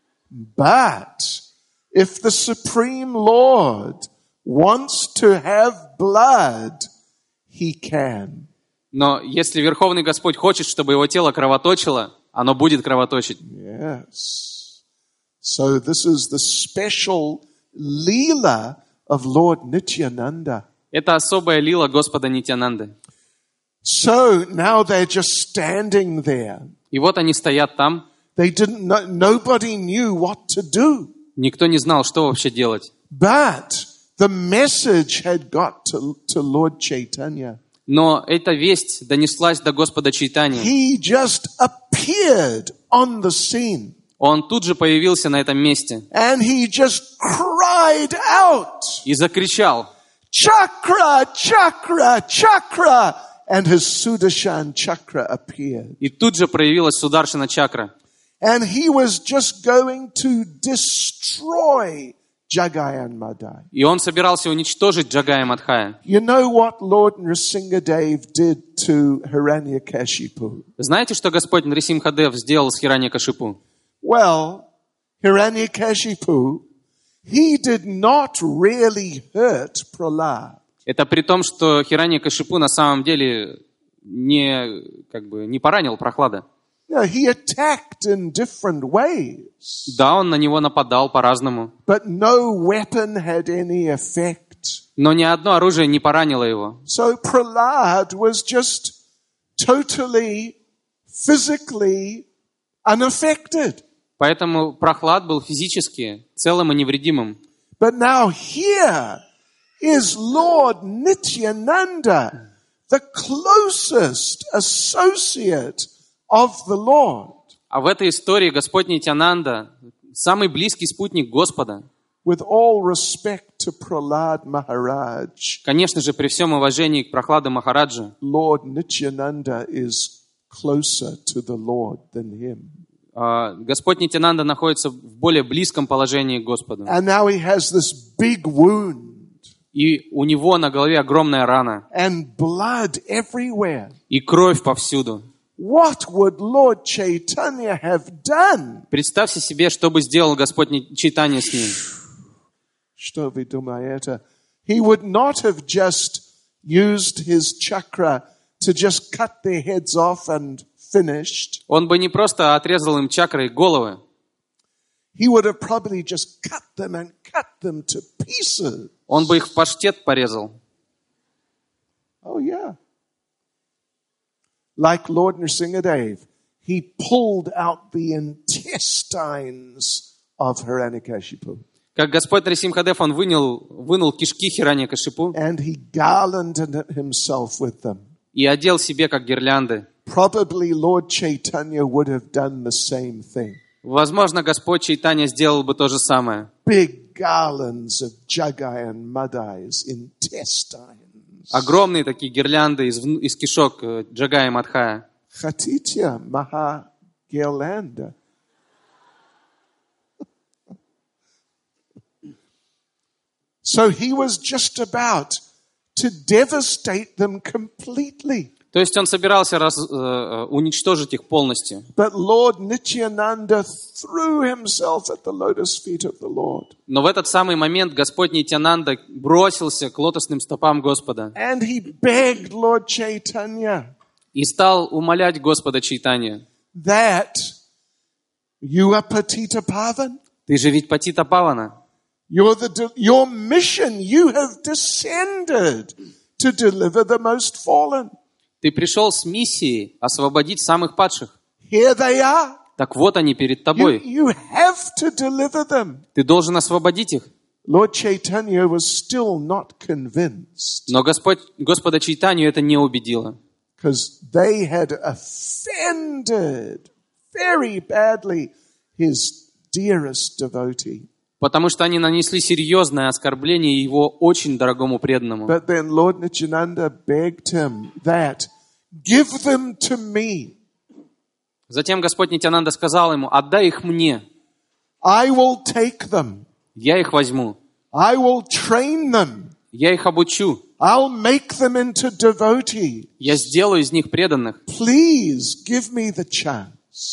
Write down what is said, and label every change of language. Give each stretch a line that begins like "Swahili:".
English: But if the Supreme Lord wants to have blood, he can.
Russian: Но если Верховный Господь хочет, чтобы его тело кровоточило, оно будет кровоточить.
English: Yes. So this is the special lila of Lord Nityananda.
Russian: Это особая лила Господа Нитянанды.
English: So now they're just standing there.
Russian: И вот они стоят там.
English: They didn't know, nobody knew what to do.
Russian: Никто не знал, что вообще делать.
English: But the message had got to Lord Chaitanya.
Russian: Но эта весть донеслась до Господа Чайтани.
English: He just appeared on the scene.
Russian: Он тут же появился на этом месте.
English: And he just cried out.
Russian: И закричал.
English: Чакра, чакра, чакра. And his Sudarshan чакра appeared.
Russian: И тут же проявилась Сударшина чакра.
English: And he was just going to destroy Jagai and Madai.
Russian: И он собирался уничтожить Джагай и Мадхая.
English: You know what Lord Nrisimhadev did to Hiranyakashipu?
Russian: Знаете, что Господь Нрисимхадев сделал с Хираньякашипу?
English: Well, Hiranyakashipu, he did not really hurt Prahlad.
Russian: Это при том, что Хираньякашипу на самом деле не поранил Прохлада.
English: No, he attacked in different ways.
Russian: Да, он на него нападал по-разному.
English: But no weapon had any effect.
Russian: Но ни одно оружие не поранило его.
English: So Prahlad was just totally physically unaffected.
Russian: Поэтому Прохлад был физически целым и невредимым.
English: But now here is Lord Nityananda, the closest associate of the Lord.
Russian: А в этой истории Господь Нитянанда самый близкий спутник Господа.
English: With all respect to Prahlad Maharaj.
Russian: Конечно же, при всем уважении к Прахладе Махараджу.
English: Lord Nityananda is closer to the Lord than him.
Russian: Господь Нитянанда находится в более близком положении к Господу.
English: And now he has this big wound.
Russian: И у него на голове огромная рана.
English: And blood everywhere.
Russian: И кровь повсюду.
English: What would Lord Chaitanya have done?
Russian: Представьте себе, что бы сделал Господь Чайтанья с ним. Что вы думаете?
English: He would not have just used his chakra to just cut their heads off and finished.
Russian: Он бы не просто отрезал им чакры и головы.
English: He would have probably just cut them and cut them to pieces.
Russian: Он бы их в паштет порезал.
English: Oh yeah. Like Lord Nrsingadev, he pulled out the intestines of Hiranyakashipu.
Russian: Как Господь Нарсимхадев, он вынул кишки Хираньякашипу.
English: And he garlanded himself with them.
Russian: И одел себе как гирлянды.
English: Probably Lord Chaitanya would have done the same thing.
Russian: Возможно, Господь Чайтанья сделал бы то же самое.
English: Big garlands of jagai and madai's intestines.
Russian: Огромные такие гирлянды из кишок джагая и мадхая. Хатитья маха гирлянда.
English: So he was just about to devastate them completely.
Russian: То есть он собирался уничтожить их полностью.
English: But Lord Nityananda threw himself at the lotus feet of the Lord.
Russian: Но в этот самый момент Господь Нитянанда бросился к лотосным стопам Господа.
English: And he begged Lord Chaitanya.
Russian: И стал умолять Господа Чайтанья.
English: That you are Patita Pavan.
Russian: Ты же ведь Патита Павана.
English: Your mission, you have descended to deliver the most fallen.
Russian: Ты пришел с миссией освободить самых падших.
English: Here they are.
Russian: Так вот они перед тобой.
English: You have to deliver them.
Russian: Ты должен освободить их.
English: Lord Chaitanya was still not convinced.
Russian: Но Господа Чайтанью это не убедило.
English: Because they had offended very badly his dearest devotee.
Russian: Потому что они нанесли серьезное оскорбление его очень дорогому преданному.
English: But then Lord Nityananda begged him that, give them to me.
Russian: Затем Господь Нитянанда сказал ему, отдай их мне.
English: I will take them.
Russian: Я их возьму.
English: I will train them.
Russian: Я их обучу.
English: I'll make them into devotees.
Russian: Я сделаю из них преданных.
English: Please give me the chance.